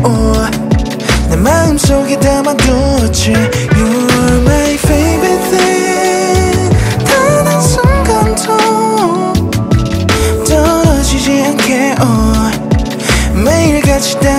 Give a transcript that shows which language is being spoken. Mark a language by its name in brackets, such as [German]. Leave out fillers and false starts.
[Korean] Oh, 내 마음속에 담아두었지. [English] You are my favorite thing. [Korean] 단 한 순간도 떨어지지 않게. Oh, 매일같이